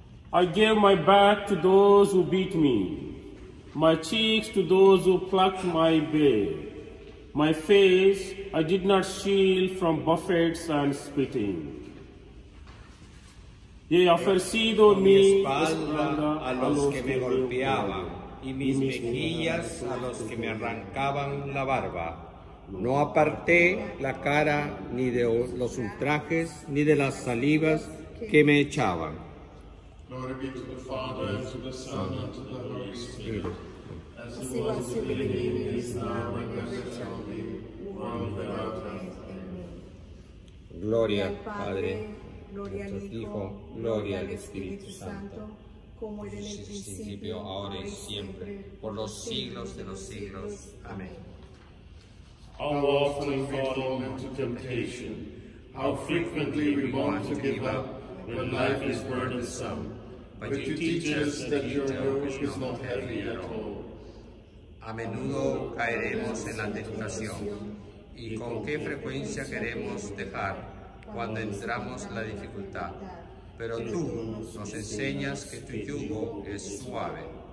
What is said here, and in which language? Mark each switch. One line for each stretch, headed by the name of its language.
English: I gave my back to those who beat me, my cheeks to those who plucked my beard, my face I did not shield from buffets and spitting.
Spanish: He ofrecido mi espalda a los que me golpeaban y mis mejillas a los que me arrancaban la barba. No aparté la cara ni de los ultrajes ni de las salivas que me echaban.
English: Glory be to the Father, and to the Son, and to the Holy Spirit, as it was in the beginning, is now, and ever shall be, world without end.
Spanish: Gloria al Padre, gloria al Hijo, gloria al Espíritu Santo, como era en el principio, ahora y siempre, por los siglos de los siglos. Amén.
English: How often we fall into temptation, how frequently we want to give up when life is burdensome, but you teach us that your yoke is not heavy at all.
Spanish: A menudo caeremos en la tentación. ¿Y con qué frecuencia queremos dejar cuando entramos la dificultad? Pero tú nos enseñas que tu yugo es suave.